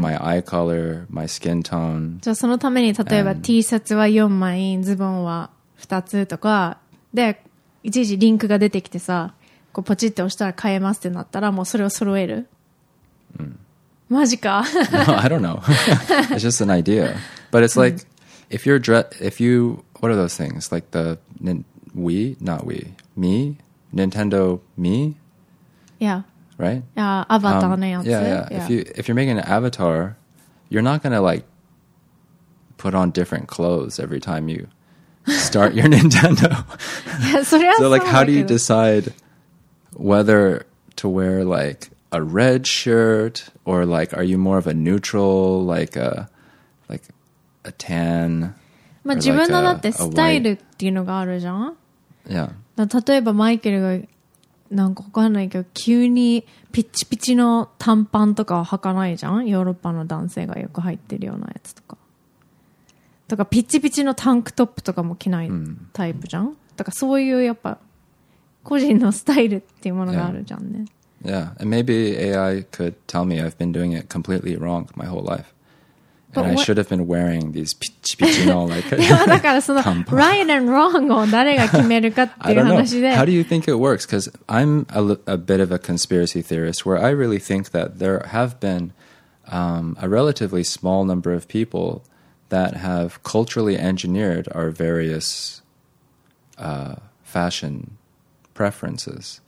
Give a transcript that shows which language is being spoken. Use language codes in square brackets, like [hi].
[en] my eye color, my skin tone. [ja] じゃあそのために例えば T シャツは4枚、ズボンは2つとかで、いちいちリンクが出てきてさ、こうポチって押したら買えますってなったら、もうそれを揃える。 [en] Mm. [ja] マジか? [en] No, I don't know. It's just an idea. But it's like, if you're what are those things? Like the Wii? Not Wii. Mi? Nintendo Mi? Yeah. Right? [ja] Avatar のやつ。 [en] Yeah. If you're making an avatar, you're not going to like put on different clothes every time you start your Nintendo. So like, how do you decide whether to wear like,a red shirt or like are you more of a neutral like a tan? [ja] まあ自分のだってスタイルっていうのがあるじゃん。 [en] Yeah. [ja] 例えばマイケルがなんかわかんないけど急にピッチピチの短パンとかは履かないじゃん。ヨーロッパの男性がよく履いてるようなやつとか。とかピッチピチのタンクトップとかも着ないタイプじゃん。だからそういうやっぱ個人のスタイルっていうものがあるじゃんね。 [en] Yeah. Yeah, and maybe AI could tell me I've been doing it completely wrong my whole life. And I should have been wearing these pitch pitch and all like right and wrong [ja] を誰が決めるかっていう話で。 [en] How do you think it works? Because I'm a bit of a conspiracy theorist where I really think that there have been a relatively small number of people that have culturally engineered our various fashion preferences.